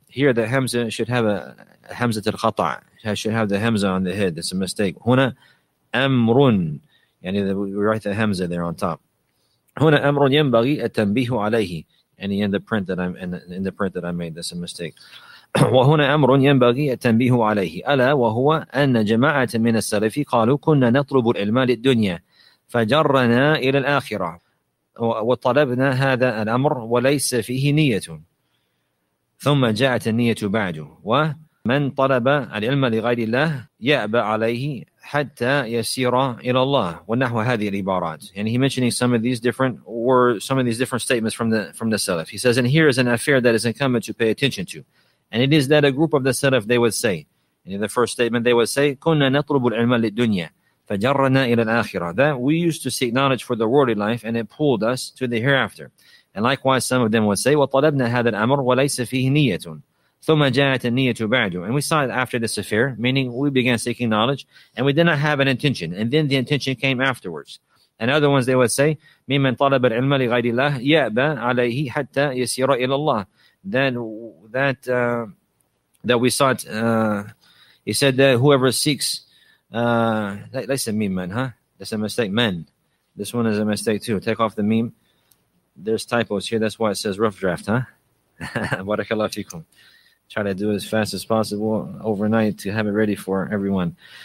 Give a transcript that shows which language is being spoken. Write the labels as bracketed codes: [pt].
[en] Here the hamza should have a hamza al-khata', should have the hamza on the head. That's a mistake. [ar] Huna amrun, [en] yani we write the hamza there on top. [ar] Huna amrun yanbaghi at-tanbihu alayhi, [en] and in the print that I made, that's a mistake. [ar] وهنا أمر ينبغي التنبيه عليه ألا وهو أن جماعة من السلف قالوا كنا نطلب العلم للدنيا فجرنا إلى الآخرة وطلبنا هذا الأمر وليس فيه نية ثم جاءت النية بعده ومن طلب العلم لغير الله يأبى عليه حتى يسير إلى الله ونحو هذه العبارات. [en] And he mentioning some of these different statements from the Salaf. He says, and here is an affair that is incumbent to pay attention to. And it is that a group of the Salaf, they would say, in the first statement, they would say, [ar] كُنَّا نَطْلُبُ الْعِلْمَ لِلدُّنْيَا فَجَرَّنَا إِلَى الْآخِرَةِ, [en] that we used to seek knowledge for the worldly life and it pulled us to the hereafter. And likewise, some of them would say, [ar] وَطَلَبْنَا هَذَا الْأَمْرُ وَلَيْسَ فِيهِ نِيَّةٌ ثُمَّ جَاءَتْ النِّيَّةُ بَعْدُ. [en] And we saw it after this affair, meaning we began seeking knowledge and we did not have an intention. And then the intention came afterwards. And other ones, they would say, [ar] مِمَّنْ طَلَبَ الْعِلْمَ لِغَيْرِ اللَّهِ يَأْبَى عَلَيْهِ حَتَّى يَسِيرَ إِلَى اللَّهِ. [en] Then that that we saw it. He said that whoever seeks, that's a meme, man, huh? That's a mistake, men. This one is a mistake too. Take off the meme. There's typos here. That's why it says rough draft, huh? Barakallahu fikum. Try to do it as fast as possible overnight to have it ready for everyone.